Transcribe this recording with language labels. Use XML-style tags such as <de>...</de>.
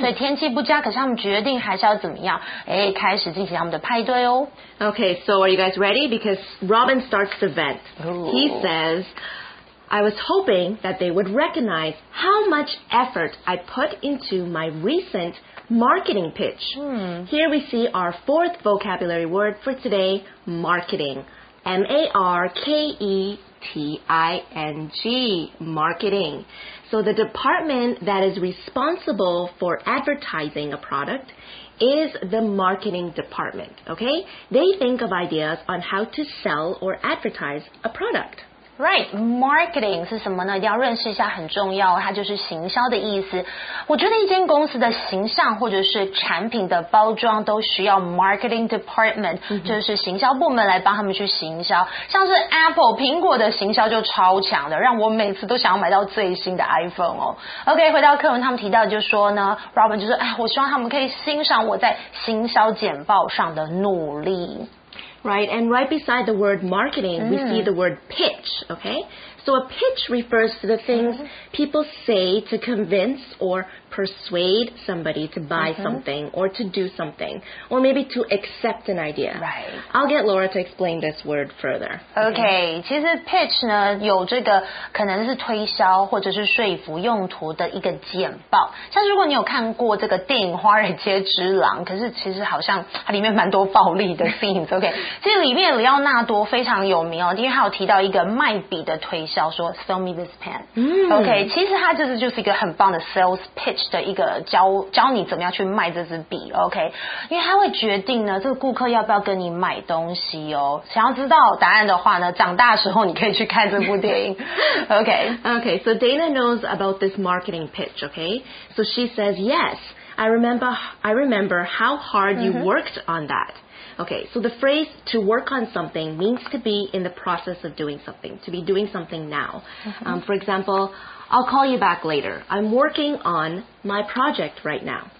<zh>所以天气不佳，可是他们决定还是要怎么样，哎，开始进行他们的派对哦。</zh> <en>Okay, so are you guys ready? Because Robin starts the vent. He says, I was hoping that they would recognize how much effort I put into my recent marketing pitch. Here we see our fourth vocabulary word for today, marketing. M-A-R-K-E-T-I-N-G, marketing. So the department that is responsible for advertising a productis the marketing department, okay? They think of ideas on how to sell or advertise a product.</en> <zh>Right, marketing 是什么呢？一定要认识一下，很重要，它就是行销的意思。我觉得一间公司的形象或者是产品的包装都需要 marketing department、 mm-hmm. 就是行销部门来帮他们去行销。像是 Apple 苹果的行销就超强的，让我每次都想要买到最新的 iPhone 哦。 OK, 回到课文，他们提到就说呢， Robin 就说，哎，我希望他们可以欣赏我在行销简报上的努力。</zh> <en>Right, and right beside the word marketing,、mm. we see the word pitch, okay? So a pitch refers to the things、mm-hmm. people say to convince or persuade somebody to buy、mm-hmm. something or to do something, or maybe to accept an idea. Right. I'll get Laura to explain this word further.</en> <zh>Okay, 其实 pitch 呢有这个可能是推销或者是说服用途的一个简报。像如果你有看过这个电影《华尔街之狼》，可是其实好像它里面蛮多暴力的 scenes. Okay, 其实里面里奥纳多非常有名哦，因为他有提到一个卖笔的推销，说</zh> <en>"Sell me this pen."、 Mm.</en> <zh>Okay, 其实他就是一个很棒的 sales pitch. 的一个 教你怎么样去卖这支笔 OK 因为他会决定呢这个顾客要不要跟你买东西哦想要知道答案的话呢长大的时候你可以去看这部电影 OK</zh> <en>OK so Dana knows about this marketing pitch OK so she says yes I remember how hard you worked on thatOkay, so the phrase to work on something means to be in the process of doing something, to be doing something now. Mm-hmm. For example, I'll call you back later. I'm working on my project right now.</en>